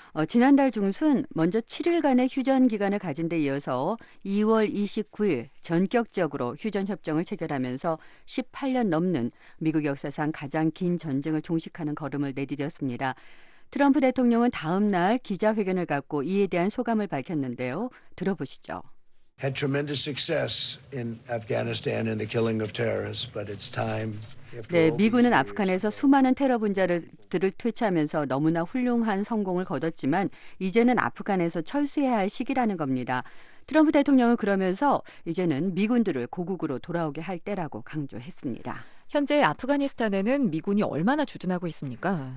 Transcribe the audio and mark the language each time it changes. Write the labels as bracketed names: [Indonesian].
[Korean] 지난달 중순 먼저 7일간의 휴전기간을 가진 데 이어서 2월 29일 전격적으로 휴전협정을 체결하면서 18년 넘는 미국 역사상 가장 긴 전쟁을 종식하는 걸음을 내디뎠습니다. 트럼프 대통령은 다음 날 기자회견을 갖고 이에 대한 소감을 밝혔는데요. 들어보시죠. [English] Had tremendous success in Afghanistan in the killing of terrorists, but it's time. [Korean] 네, 미군은 아프간에서 수많은 테러 분자들을 퇴치하면서 너무나 훌륭한 성공을 거뒀지만 이제는 아프간에서 철수해야 할 시기라는 겁니다. 트럼프 대통령은 그러면서 이제는 미군들을 고국으로 돌아오게 할 때라고 강조했습니다. 현재 아프가니스탄에는 미군이 얼마나 주둔하고 있습니까?